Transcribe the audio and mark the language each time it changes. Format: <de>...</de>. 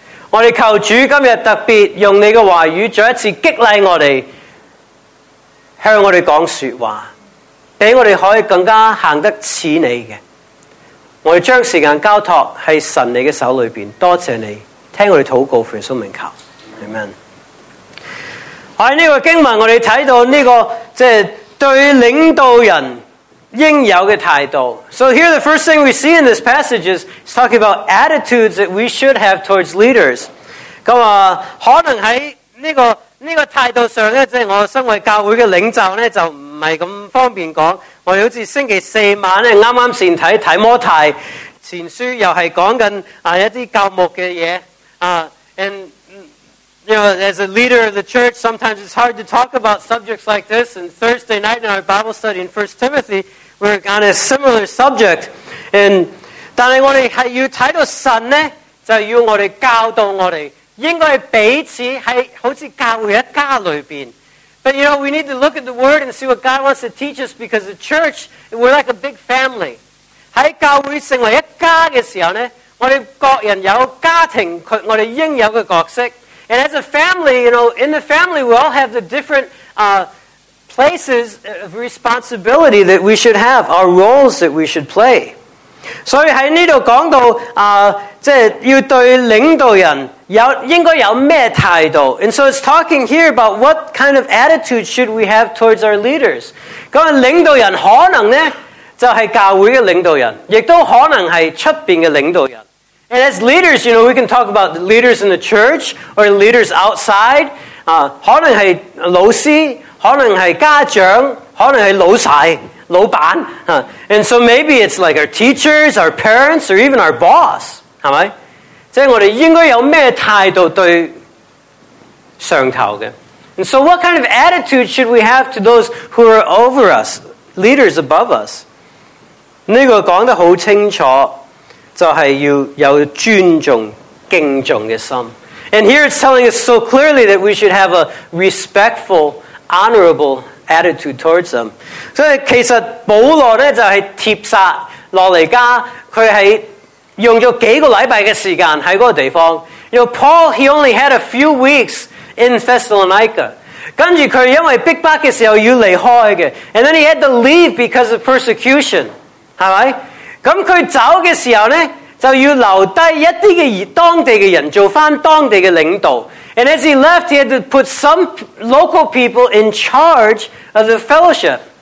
<yue>我们求主今天特别用你的话语再一次激励我们，向我们讲说话，让我们可以更加行得似你的。我们将时间交托在神你的手里面，多谢你听我们祷告，奉耶稣名求， Amen。在这个经文我们看到这个对领导人应有的态度。</yue> <en>So here the first thing we see in this passage is it's talking about attitudes that we should have towards leaders.</en> <yue>咁啊，可能喺呢个态度上咧，即系我身为教会嘅领袖咧，就唔系咁方便讲。我哋好似星期四晚咧，啱啱先睇提摩太前书，又系讲紧一啲教牧嘅嘢啊。</yue> <en>And you know, as a leader of the church, sometimes it's hard to talk about subjects like this. And Thursday night in our Bible study in 1 Timothy, we're on a similar subject. And</en> <yue>但是我们是要看到神呢，就要我们教导我们，应该彼此在好像教会一家里面，</yue> <en>But you know, we need to look at the Word and see what God wants to teach us, because the church, we're like a big family.</en> <yue>在教会成为一家的时候呢，我们各人有家庭，我们应有的角色。</yue> <en>And as a family, you know, in the family, we all have the different places of responsibility that we should have, our roles that we should play.</en> <yue>所以在这里讲到，即是要对领导人有应该有咩态度。</yue> <en>And so it's talking here about what kind of attitude should we have towards our leaders.</en> <yue>那领导人可能呢，就是教会的领导人，也都可能是出面的领导人。</yue> <en>And as leaders, you know, we can talk about leaders in the church or leaders outside.</en> <yue>可能是老师，可能是家长，可能是老细、老板。</yue> <en>And so maybe it's like our teachers, our parents, or even our boss.</en> <yue>是吧？即是我们应该有什么态度对上头的。</yue> <en>And so what kind of attitude should we have to those who are over us, leaders above us?</en> <yue>这个讲得很清楚。就是要有尊重、敬重的心。</yue> <en>And here it's telling us so clearly that we should have a respectful, honorable attitude towards them.</en> <yue>所以其实保罗呢，就是帖撒罗尼加，他是用了几个礼拜的时间在那个地方。</yue> <en>You know, Paul, he only had a few weeks in Thessalonica.</en> <yue>跟着他因为逼迫的时候要离开的。</yue> <en>And then he had to leave because of persecution.</en> <yue>是吧？咁佢走嘅时候呢，就要留低一啲嘅当地嘅人做翻当地嘅领导。</yue> <en>And as he left, he had to put some local people in charge of the fellowship.</en>